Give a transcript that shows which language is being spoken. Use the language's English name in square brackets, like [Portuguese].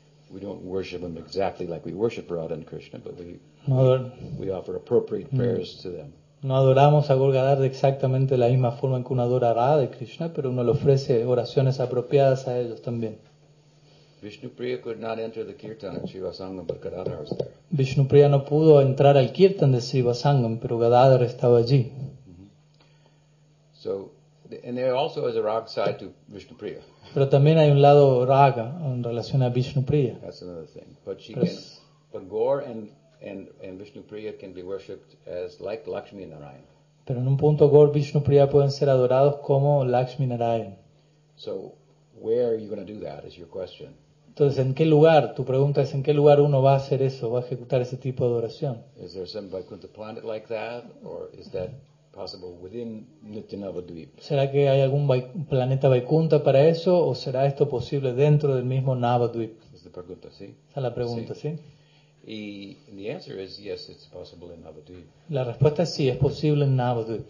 [English] We don't worship them exactly like we worship Radha and Krishna, but we offer appropriate prayers to them. [Spanish] No adoramos a Gaur Gadadhar de exactamente la misma forma en que uno adora a Radha y Krishna, pero uno le ofrece oraciones apropiadas a ellos también. [English] Vishnupriya could not enter the kirtan at Shiva Sangam, but Gadadhar was there. [Spanish] Vishnupriya no pudo entrar al kirtan de Shiva Sangam, pero Gadadhar estaba allí. [English] So, and there also is a rag side to Vishnupriya. [Spanish] Pero también hay un lado raga en relación a Vishnupriya. [English] That's another thing. But she can, but Gaur and Vishnupriya can be worshipped as like Lakshmi and Narayan. [Spanish] Pero en un punto Gaur Vishnupriya pueden ser adorados como Lakshmi Narayan. [English] So, where are you going to do that? Is your question. [Spanish] Entonces, ¿en qué lugar? Tu pregunta es, ¿en qué lugar uno va a hacer eso? ¿Va a ejecutar ese tipo de adoración? [English] Is there some Vaikuntha planet like that, or is that possible within Nityananda Dvip? [Spanish] ¿Será que hay algún planeta Vaikuntha para eso, o será esto posible dentro del mismo Navadvip? Es la pregunta, sí. Esa es la pregunta, sí. [English] Y the answer is yes, it's possible in Navadvip. [Spanish] La respuesta es sí, es posible en Navadvip.